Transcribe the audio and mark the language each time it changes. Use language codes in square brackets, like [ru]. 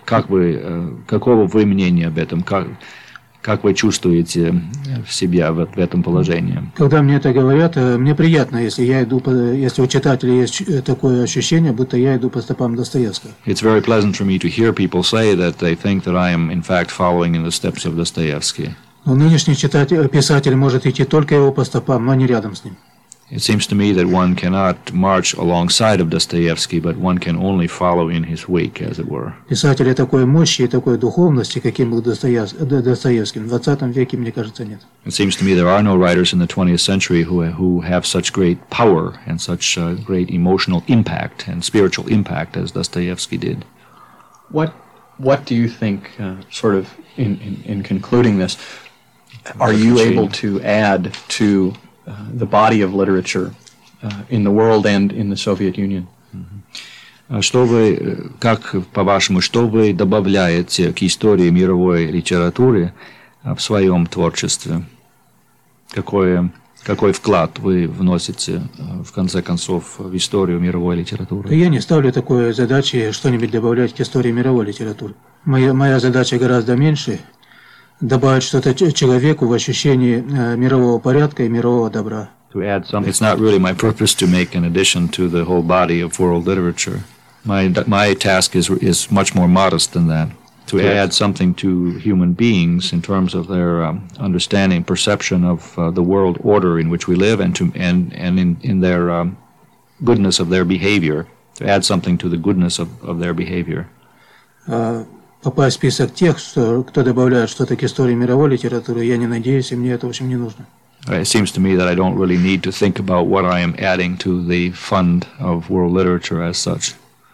[ru] Как вы какого вы мнения об этом? Как вы чувствуете себя в этом положении? Когда мне это говорят, мне приятно, если я иду, если у читателя есть такое ощущение, будто я иду по стопам Достоевского. [en] It's very pleasant for me to hear people say that they think that I am in fact following in the steps of Dostoevsky. [ru] Но нынешний писатель может идти только его по стопам, но не рядом с ним. [en] It seems to me that one cannot march alongside of Dostoevsky, but one can only follow in his wake, as it were. [ru] Писателя такой мощи и такой духовности, каким был Достоевский, в 20 веке, мне кажется, нет. [en] It seems to me there are no writers in the 20th century who have such great power and such great emotional impact and spiritual impact as Dostoevsky did. What do you think, sort of, in concluding this, are you able to add to the body of literature in the world and in the Soviet Union? [ru] Что вы, как по вашему, что вы добавляете к истории мировой литературы в своем творчестве? Какое какой вклад вы вносите, в конце концов, в историю мировой литературы? Я не ставлю такой задачи что-нибудь добавлять к истории мировой литературы. Моя задача гораздо меньше – добавить что-то человеку в ощущении мирового порядка и мирового добра. [en] It's not really my purpose to make an addition to the whole body of world literature. My task is much more modest than that. To add something to human beings in terms of their understanding, perception of the world order in which we live, and in their goodness of their behavior. To add something to the goodness of their behavior. [ru] Попасть в список тех, кто добавляет что-то к истории мировой литературы, я не надеюсь, и мне это, в общем, не нужно. [en] It seems to me that I don't really need to think about what I am adding to the fund of world literature as such.